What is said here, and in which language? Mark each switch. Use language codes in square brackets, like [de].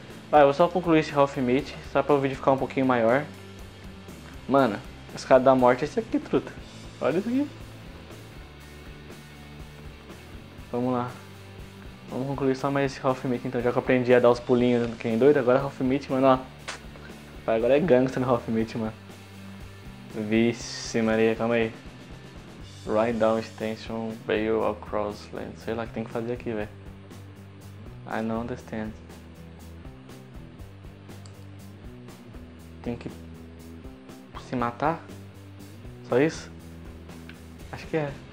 [pt] Vai, eu vou só concluir esse Half Meat, só pra o vídeo ficar um pouquinho maior. Mano, escada da morte é esse aqui, truta. Olha isso aqui. Vamos lá. Vamos concluir só mais esse Half Meat, então. Já que eu aprendi a dar os pulinhos do quem doido, agora Half Meat, mano, ó. Vai, agora é gangsta no Half Meat, mano. Vixe Maria, calma aí. [en] Ride down extension, bail across land. [pt] Sei lá o que tem que fazer aqui, velho. [en] I don't understand. [pt] Tem que se matar? Só isso? Acho que é.